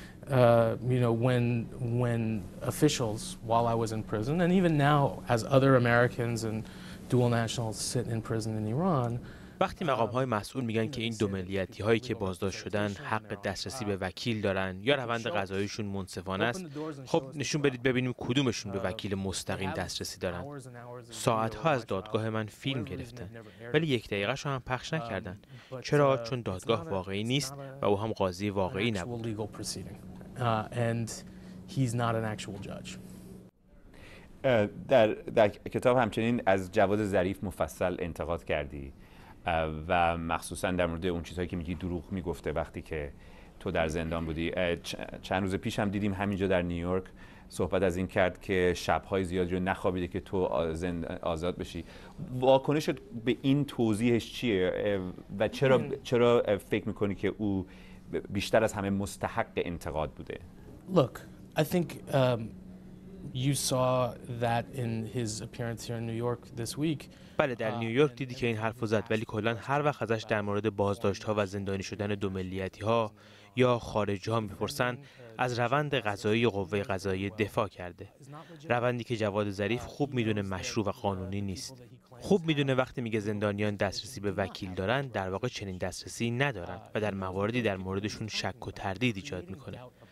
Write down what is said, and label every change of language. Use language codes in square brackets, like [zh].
[en] When officials, while I was in prison, and even now, as other Americans and dual nationals sit in prison in Iran, [fa] وقتی مقام‌های مسئول میگن که این دو ملیتی‌هایی که بازداشت شدن حق دسترسی به وکیل دارن یا روند قضاییشون منصفانه است، خب نشون بدید ببینیم کدومشون به وکیل مستقیم دسترسی دارن. ساعت‌ها از دادگاه من فیلم گرفتن، ولی 1 دقیقه‌شو هم پخش نکردن. چرا؟ چون دادگاه واقعی نیست و او هم قاضی واقعی نبود. [en] and he's not an actual judge. [fa] در کتاب همچنین از جواد ظریف مفصل انتقاد کردی و مخصوصا در مورد اون چیزهایی که میگی دروغ میگفته وقتی که تو در زندان بودی. چند روز پیش هم دیدیم همینجا در نیویورک صحبت از این کرد که شبهای زیادی رو نخوابیده که تو آزاد بشی. واکنشت به این توضیحش چیه و چرا فکر میکنی که او بیشتر از همه مستحق انتقاد بوده؟ [en] Look, I think you saw that in his appearance here in New York this week. [fa] بله در نیویورک دیدی که این حرف رو زد، ولی کلا هر وقت ازش در مورد بازداشت‌ها و زندانی شدن دو ملیتی‌ها یا خارجی‌ها می‌پرسن، از روند قضایی قوه قضایی دفاع کرده. روندی که جواد ظریف خوب می‌دونه مشروع و قانونی نیست. خوب می‌دونه وقتی میگه زندانیان دسترسی به وکیل دارن، در واقع چنین دسترسی ندارن و در مواردی در موردشون شک و تردید ایجاد می‌کنه.